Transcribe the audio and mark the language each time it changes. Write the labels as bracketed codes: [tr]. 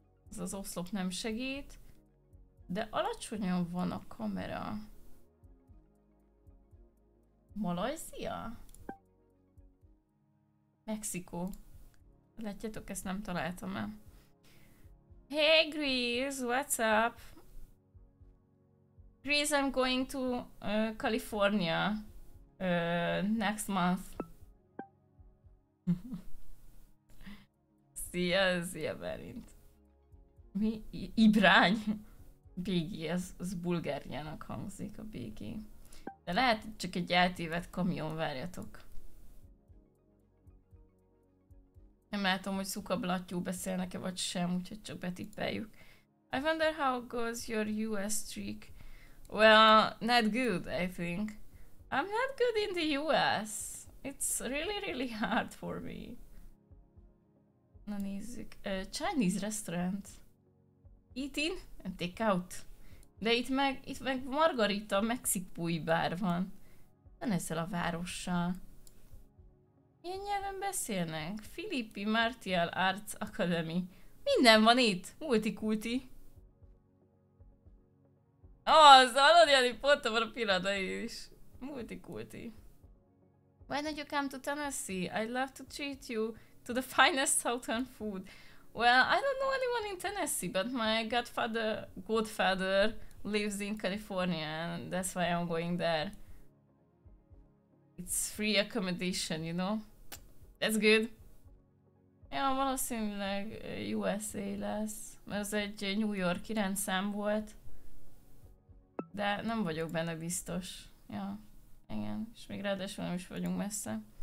[hu] Ez az oszlop nem segít. De alacsonyan van a kamera. Malajzia? Mexikó. Látjátok, ezt nem találtam el. [en] Hey Grease, what's up? Grease, I'm going to California next month. [hu] Szia, Berint. Mi? Ibrány? Bégi, az bulgáriának hangzik a bégi. De lehet, hogy csak egy eltévedt kamion, várjatok. Nem látom, hogy szuka blattyú beszélnek-e vagy sem, úgyhogy csak betippeljük. [en] I wonder how goes your US streak. Well, not good, I think. I'm not good in the US. It's really, really hard for me. [hu] Na nézzük. [en] Chinese restaurant. Eat in and take out. [hu] De itt meg Margarita mexikói bár van. Van ezzel a várossal. Milyen nyelven beszélnek? Filippi Martial Arts Academy. Minden van itt. Multikulti. Az, hallod, Jani, pont a pillanatban is. Multikulti. [en] Why don't you come to Tennessee? I'd love to treat you to the finest southern food. Well, I don't know anyone in Tennessee, but my godfather lives in California, and that's why I'm going there. It's free accommodation, you know? That's good. [hu] Yeah, valószínűleg USA lesz, mert az egy New Yorki rendszám volt. De nem vagyok benne biztos. Ja, igen. És még ráadásul nem is vagyunk messze.